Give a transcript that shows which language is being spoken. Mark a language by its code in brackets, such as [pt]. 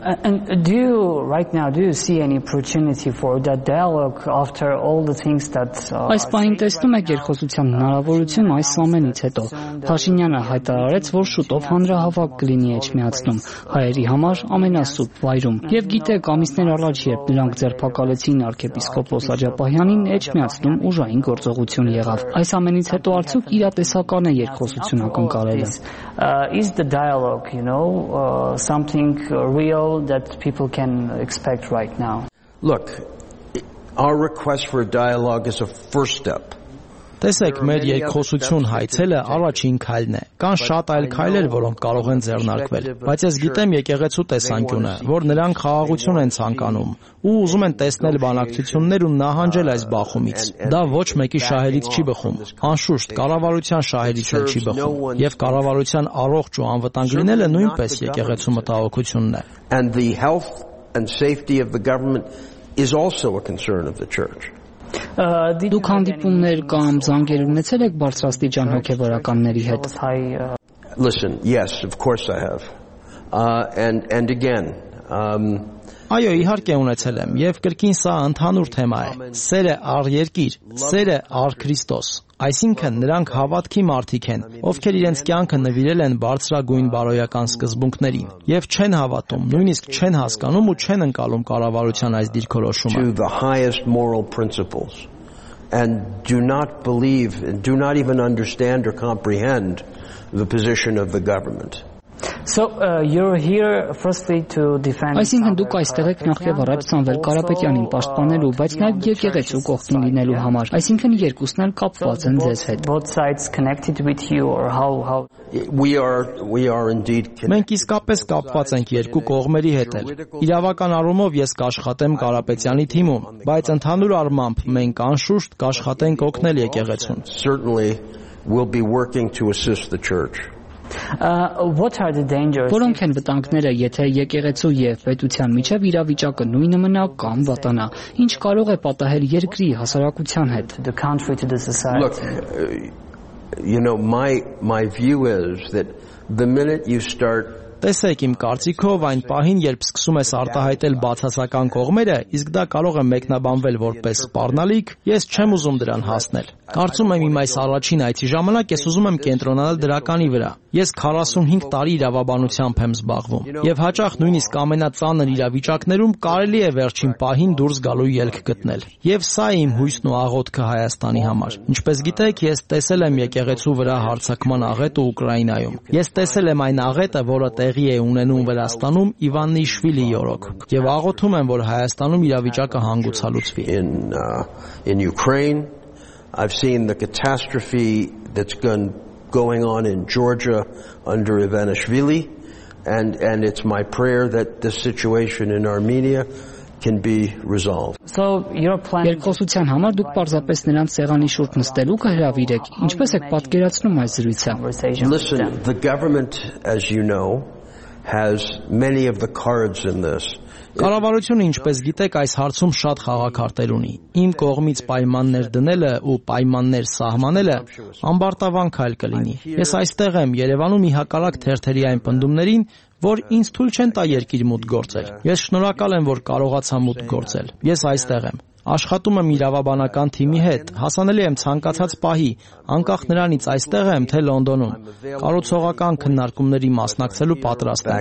[en] And do you, right now, do you see any opportunity for that dialogue after all the things that... [hy] Այս պահին տեսնում եք երկխոսության հնարավորություն այս ամենից հետո։ Փաշինյանը հայտարարեց, որ շուտով հանրահավաք կլինի Էջմիածնում, հայերի համար ամենասուտ վայրում։ Եվ գիտեք, ամիսներ առաջ, երբ նրանք ձերբակալեցին արքեպիսկոպոս Աջապահյանին, Էջմիածնում ուժային գործողություն եղավ։ Այս ամենից հետո արդյոք իրատեսական է երկխոսություն ակնկալելը։ [en] Is the dialogue, you know, something real that people can expect right now? Look, Our request for a dialogue is a first step. [hy] Տեսեք, մեր երկխոսություն հայցելը առաջին քայլն է։ Կան շատ այլ քայլեր, որոնք կարող են ձեռնարկվել, բայց ես գիտեմ եկեղեցու տեսանկյունը, որ նրանք խաղաղություն են ցանկանում ու ուզում են տեսնել բանակցություններ ու նահանջել այս բախումից։ Դա ոչ մեկի շահերից չի բխում, անշուշտ կառավարության շահերից էլ չի բխում, եւ կառավարության առողջ ու անվտանգ լինելը նույնպես եկեղեցու մտահոգությունն է։ [en] And the health and safety of the government is also a concern of the church. [hy] Դուք հանդիպումներ կամ զանգեր ունեցել եք բարձրաստիճան հոգևորականների հետ? [en] Listen, yes, of course I have. [hy] Այո, իհարկե ունեցել եմ, եւ կրկին սա ընդհանուր թեմա է։ Սերը առ երկիր, սերը առ Քրիստոս։ Այսինքն նրանք հավատքի մարդիկ են, ովքեր իրենց կյանքը նվիրել են բարձրագույն բարոյական սկզբունքներին եւ չեն հավատում, նույնիսկ չեն հասկանում ու չեն ընկալում կառավարության այս դիրքորոշումը։ [en] So you're here firstly to defend [hy] Այսինքն դուք այստեղ եք նախև առաջ Սամվել Կարապետյանին պաշտպանելու, բայց նա եկեղեցու կողքին լինելու համար։ Այսինքն երկուսն էլ կապված են ձեզ հետ։ [en] Both sides connected with you or how we are indeed connected. [hy] Մենք իսկապես կապված ենք երկու կողմերի հետ։ Իրավական առումով ես կաշխատեմ Կարապետյանի թիմում, բայց ընդհանուր առմամբ մենք անշուշտ կաշխատենք օգնել եկեղեցուն։ [en] Certainly we'll be working to assist the church. What are the dangers? [hy] Որոնք են վտանգները, եթե եկեղեցու եւ պետության միջև իրավիճակը նույնը մնա կամ վատանա, ինչ կարող է պատահել երկրի հասարակության հետ? [en] The country to the society. Look, you know, my view is that the minute you start [hy] Տեսեք, իմ կարծիքով այն պահին, երբ սկսում ես արտահայտել բացասական կողմերը, իսկ դա կարող է մեկնաբանվել որպես սպառնալիք, ես չեմ ուզում դրան հասնել։ Կարծում եմ, իմ այս առաջին այցի ժամանակ ես ուզում եմ կենտրոնանալ դրականի վրա։ Ես 45 տարի իրավաբանությամբ եմ զբաղվում, եւ հաճախ նույնիսկ ամենածանր իրավիճակներում կարելի է վերջին պահին դուրս գալու ելք գտնել։ Եվ սա իմ հույսն ու աղոթքը Հայաստանի համար։ Ինչպես գիտեք, ես տեսել եմ եկեղեցու վրա հարձակման աղետը Ուկրաինայում։ Ես տեսել եմ այն աղետը, որը տեղի է ունենում Վրաստանում Իվանիշվիլի յորոք, եւ աղոթում եմ, որ Հայաստանում իրավիճակը հանգուցալուծվի։ [en] In Ukraine, I've seen the catastrophe that's going on in Georgia under Ivanishvili, and it's my prayer that the situation in Armenia can be resolved. So your plan [hy] Երկխոսության համար դուք պարզապես նրանց սեղանի շուրջ նստելու կհրավիրեք։ Ինչպես եք պատկերացնում այս զրույցը? [en] Listen, the government, as you know, has many of the cards in this. [hy] Կառավարությունը, ինչպես գիտեք, այս հարցում շատ խաղակարտեր ունի։ Իմ կողմից պայմաններ դնելը ու պայմաններ սահմանելը ամբարտավանք այլ կլինի։ Ես այստեղ եմ Երևանում ի հակառակ թերթերի այն պնդումներին, որ ինձ թույլ չեն տա երկիր մուտք գործել։ Ես շնորհակալ եմ, որ կարողացա մուտք գործել։ Ես այստեղ եմ։ Աշխատում եմ իրավաբանական թիմի հետ, հասանելի եմ ցանկացած պահի, անկախ նրանից այստեղ եմ, թե Լոնդոնում։ Կարուցողական քննարկումների մասնակցելու պատրաստ